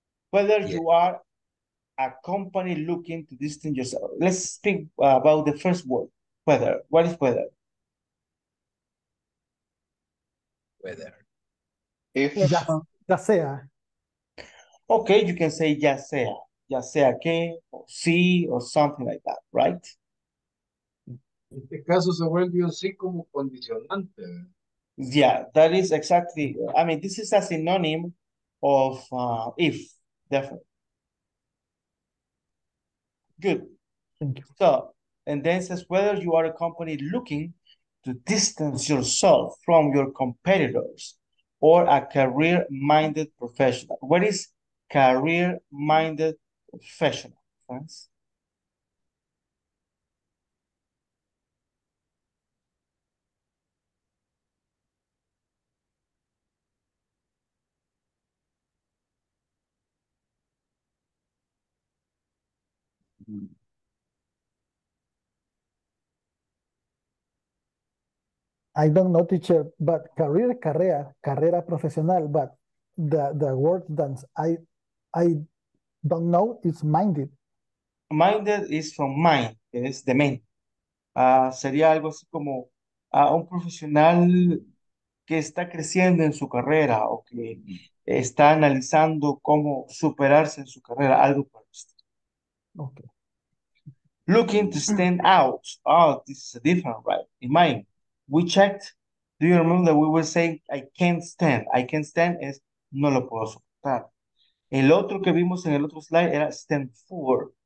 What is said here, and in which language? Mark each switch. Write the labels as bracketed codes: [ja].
[en] Whether you are a company looking to distinguish yourself, let's speak about the first word, whether. What is whether? Whether. If. [es] Ya sea. [en] Okay, you can say [es] ya sea. Ya sea que, [en] or si, or something like that, right? [es] En este caso se vuelve un si como condicionante. [en] Yeah, that is exactly, I mean, this is a synonym of if, definitely. Good. Thank you. So, and then it says whether you are a company looking to distance yourself from your competitors, or a career-minded professional. What is career-minded professional, friends? I don't know, teacher, but career, [es] carrera profesional, [en] but the word that I don't know is minded. Minded is from mind, es the main. [es] Sería algo así como a un profesional que está creciendo en su carrera o que está analizando cómo superarse en su carrera, algo por esto. [en] Okay. Looking to stand out. Oh, this is a different, right? In mind. We checked, do you remember that we were saying, I can't stand. I can't stand [es] es no lo puedo soportar. El otro que vimos en el otro slide era stand for.